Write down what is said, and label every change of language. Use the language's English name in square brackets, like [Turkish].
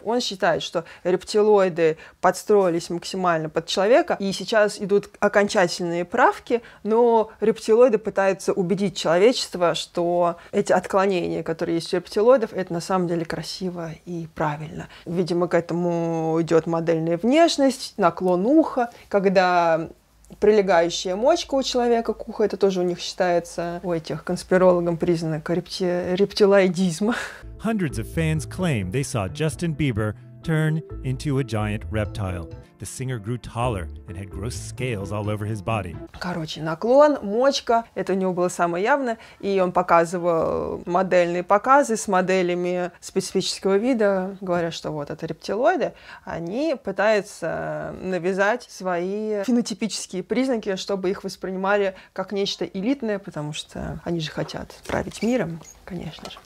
[Russian] Он считает, что рептилоиды подстроились максимально под человека, и сейчас идут окончательные правки, но рептилоиды пытаются убедить человечество, что эти отклонения, которые есть у рептилоидов, это на самом деле красиво и правильно. Видимо, к этому идет модельная внешность, наклон уха, когда прилегающая мочка у человека к уху, это тоже у них считается у этих конспирологов признак рептилоидизма. [English] Hundreds of fans claim they saw Justin Bieber turn into a giant reptile. The singer grew taller and had gross scales all over his body. [Russian] Короче, наклон, мочка, это у него было самое явное, и он показывал модельные показы с моделями специфического вида, говоря, что вот это рептилоиды, они пытаются навязать свои фенотипические признаки, чтобы их воспринимали как нечто элитное, потому что они же хотят править миром, конечно же.